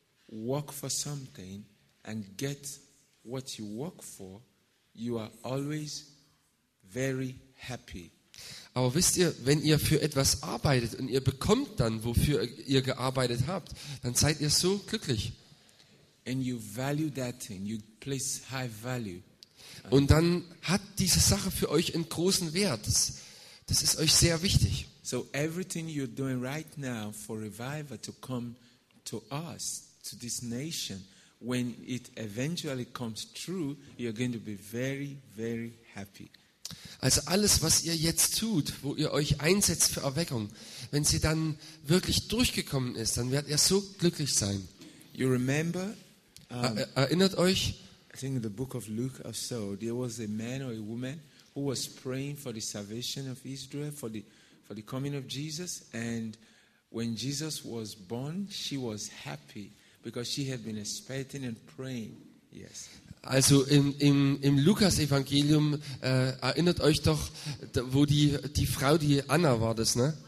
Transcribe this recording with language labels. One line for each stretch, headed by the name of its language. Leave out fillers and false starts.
English: work for something and get what you work for, you are always very happy.
German: Aber wisst ihr, wenn ihr für etwas arbeitet und ihr bekommt dann, wofür ihr gearbeitet habt, dann seid ihr so glücklich.
English: And you value that thing, you place high value.
German: Und dann hat diese Sache für euch einen großen Wert. Das ist euch sehr wichtig.
English: So everything you're doing right now for revival to come to us, to this nation, when it eventually comes true, you're going to be very, very happy.
German: Also alles, was ihr jetzt tut, wo ihr euch einsetzt für Erweckung, wenn sie dann wirklich durchgekommen ist, dann werdet ihr so glücklich sein.
English: You remember,
German: erinnert euch?
English: I think in the book of Luke or so, there was a man or a woman who was praying for the salvation of Israel, for the coming of Jesus. And when Jesus was born, she was happy because she had been expecting and praying. Yes.
German: Also im Lukas-Evangelium erinnert euch doch, wo die Frau, die Anna war das, ne?